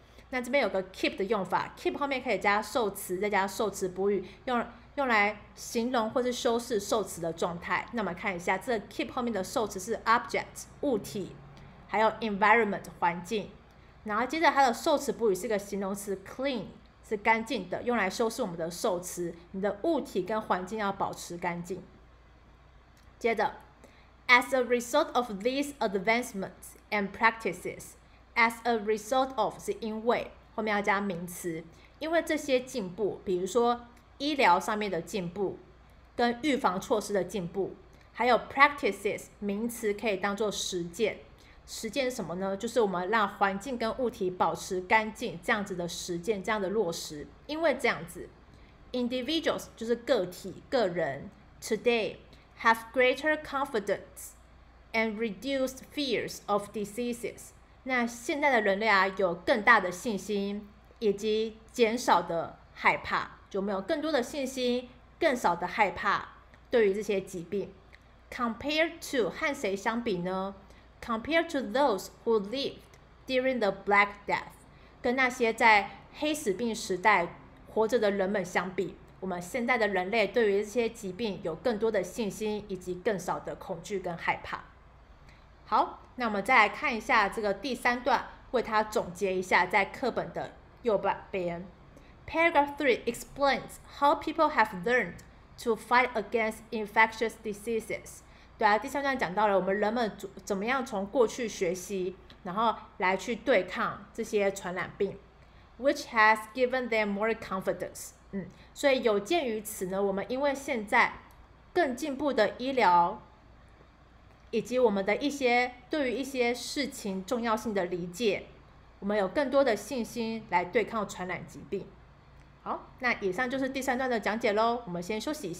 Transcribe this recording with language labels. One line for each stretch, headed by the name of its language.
Chinese: 那这边有个 keep 的用法，keep 后面可以加受词，再加受词补语，用来形容或是修饰受词的状态。那我们看一下，这个 keep 后面的受词是 object 物体，还有 environment 环境。然后接着它的受词补语是个形容词 clean 是干净的，用来修饰我们的受词，你的物体跟环境要保持干净。接着，
English: as a result of these advancements and practices，as a result of
Chinese: 是因为，后面要加名词，因为这些进步，比如说。医疗上面的进步，跟预防措施的进步，还有 practices 名词可以当做实践，实践什么呢？就是我们让环境跟物体保持干净，这样子的实践，这样的落实。因为这样子 individuals 就是个体个人
English: today have greater confidence and reduced fears of diseases，
Chinese: 那现在的人类啊有更大的信心以及减少的害怕，就没有更多的信心更少的害怕对于这些疾病。
English: Compared to
Chinese: 和谁相比呢？
English: Compared to those who lived during the Black Death，
Chinese: 跟那些在黑死病时代活着的人们相比，我们现在的人类对于这些疾病有更多的信心以及更少的恐惧跟害怕。好，那我们再来看一下这个第三段，为它总结一下在课本的右边。
English: Paragraph 3 explains how people have learned to fight against infectious diseases。
Chinese: 对啊，第三段讲到了我们人们怎么样从过去学习，然后来去对抗这些传染病 ，
English: which has given them more confidence。
Chinese: 所以有鉴于此呢，我们因为现在更进步的医疗，以及我们的一些对于一些事情重要性的理解，我们有更多的信心来对抗传染疾病。好，那以上就是第三段的讲解喽，我们先休息一下。